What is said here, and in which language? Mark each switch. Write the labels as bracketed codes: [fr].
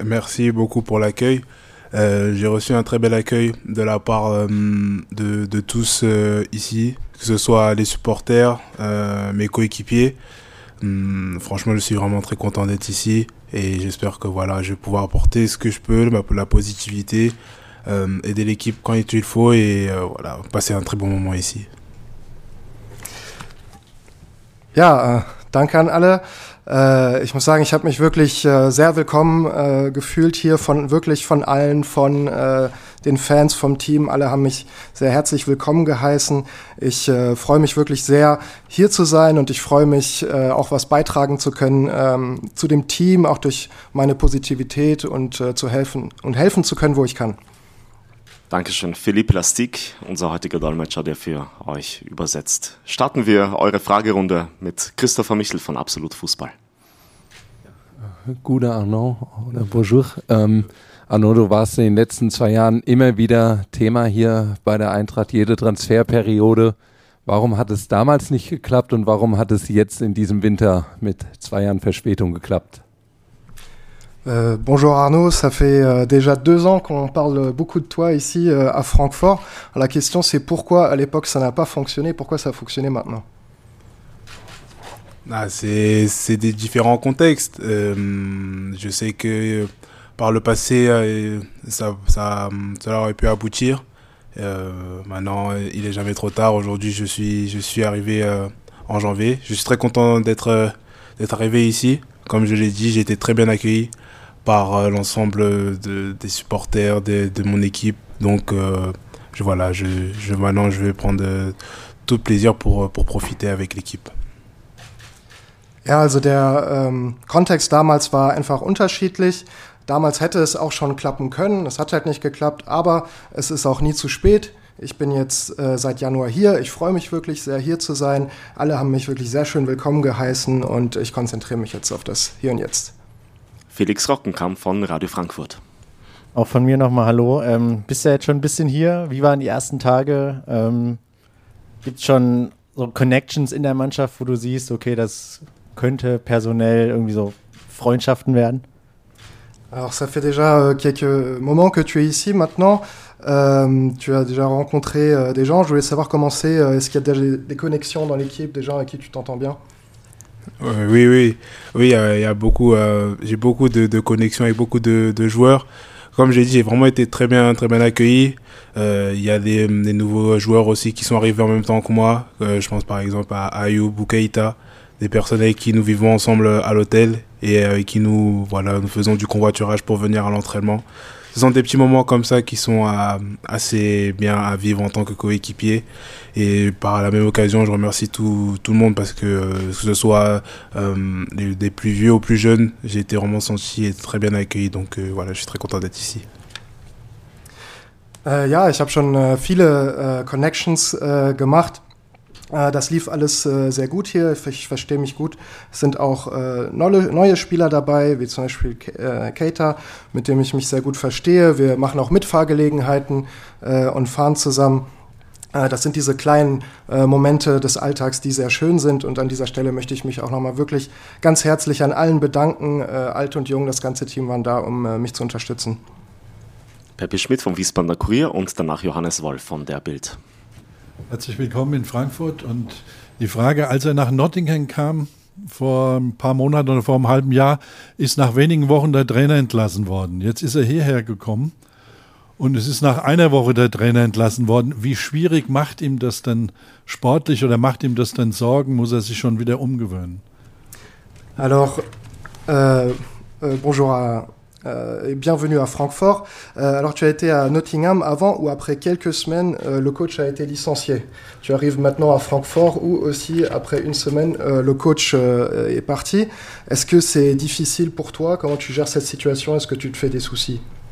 [fr] Merci beaucoup pour l'accueil. J'ai reçu un très bel accueil de la part de tous ici, que ce soit les supporters, mes coéquipiers. Franchement, je suis vraiment très content d'être ici et j'espère que voilà, je vais pouvoir apporter ce que je peux, la positivité, aider l'équipe quand il faut et voilà, passer un très bon moment ici. [de] Ja, danke an alle. Ich muss sagen, ich habe mich wirklich sehr willkommen gefühlt hier von allen, von den Fans, vom Team. Alle haben mich sehr herzlich willkommen geheißen. Ich freue mich wirklich sehr, hier zu sein und ich freue mich, auch was beitragen zu können zu dem Team, auch durch meine Positivität und zu helfen und helfen zu können, wo ich kann. Dankeschön, Philipp Lastik, unser heutiger Dolmetscher, der für euch übersetzt. Starten wir eure Fragerunde mit Christopher Michel von Absolut Fußball. Guten Arnaud, [fr] bonjour. [de] Arnaud, du warst in den letzten 2 Jahren immer wieder Thema hier bei der Eintracht, jede Transferperiode. Warum hat es damals nicht geklappt und warum hat es jetzt in diesem Winter mit 2 Jahren Verspätung geklappt? [fr] Bonjour Arnaud, ça fait déjà 2 ans qu'on parle beaucoup de toi ici à Francfort. Alors la question c'est pourquoi à l'époque ça n'a pas fonctionné, pourquoi ça a fonctionné maintenant? Ah, c'est des différents contextes. Je sais que par le passé ça aurait pu aboutir. Maintenant il est jamais trop tard. Aujourd'hui je suis arrivé en janvier. Je suis très content d'être arrivé ici. Comme je l'ai dit, j'ai été très bien accueilli par l'ensemble des supporters de mon équipe. Donc je vais prendre tout plaisir pour profiter avec l'équipe. [de] Ja, also der Kontext damals war einfach unterschiedlich. Damals hätte es auch schon klappen können. Es hat halt nicht geklappt, aber es ist auch nie zu spät. Ich bin jetzt seit Januar hier. Ich freue mich wirklich sehr, hier zu sein. Alle haben mich wirklich sehr schön willkommen geheißen und ich konzentriere mich jetzt auf das Hier und Jetzt. Felix Rockenkamp von Radio Frankfurt. Auch von mir nochmal hallo. Bist du ja jetzt schon ein bisschen hier? Wie waren die ersten Tage? Gibt es schon so Connections in der Mannschaft, wo du siehst, okay, das könnte personell irgendwie so Freundschaften werden? [fr] Alors, ça fait déjà quelques moments que tu es ici maintenant. Tu as déjà rencontré des gens. Je voulais savoir comment c'est. Est-ce qu'il y a déjà des connexions dans l'équipe, des gens avec qui tu t'entends bien? Oui, il y a beaucoup, j'ai beaucoup de connexions avec beaucoup de joueurs, comme j'ai dit, j'ai vraiment été très bien accueilli. Il y a des nouveaux joueurs aussi qui sont arrivés en même temps que moi. Je pense par exemple à Ayoub ou Keita, des personnes avec qui nous vivons ensemble à l'hôtel et avec qui nous, voilà, nous faisons du covoiturage pour venir à l'entraînement. Ce sont des petits moments comme ça qui sont assez bien à vivre en tant que coéquipier. Et par la même occasion, je remercie tout le monde parce que ce soit des plus vieux aux plus jeunes, j'ai été vraiment senti et très bien accueilli. Donc voilà, je suis très content d'être ici. [de] Ja, ich habe schon viele Connections gemacht. Das lief alles sehr gut hier, ich verstehe mich gut. Es sind auch neue Spieler dabei, wie zum Beispiel Keita, mit dem ich mich sehr gut verstehe. Wir machen auch Mitfahrgelegenheiten und fahren zusammen. Das sind diese kleinen Momente des Alltags, die sehr schön sind. Und an dieser Stelle möchte ich mich auch nochmal wirklich ganz herzlich an allen bedanken. Alt und Jung, das ganze Team waren da, um mich zu unterstützen. Peppi Schmidt vom Wiesbadener Kurier und danach Johannes Wolf von der Bild. Herzlich willkommen in Frankfurt. Und die Frage, als er nach Nottingham kam, vor ein paar Monaten oder vor einem halben Jahr, ist nach wenigen Wochen der Trainer entlassen worden. Jetzt ist er hierher gekommen und es ist nach einer Woche der Trainer entlassen worden. Wie schwierig macht ihm das denn sportlich oder macht ihm das denn Sorgen? Muss er sich schon wieder umgewöhnen? [fr] Alors, bonjour à... Et bienvenue à Francfort. Alors, tu as été à Nottingham avant ou après quelques semaines, le coach a été licencié. Tu arrives maintenant à Francfort où aussi, après une semaine, le coach est parti. Est-ce que c'est difficile pour toi? Comment tu gères cette situation? Est-ce que tu te fais des soucis?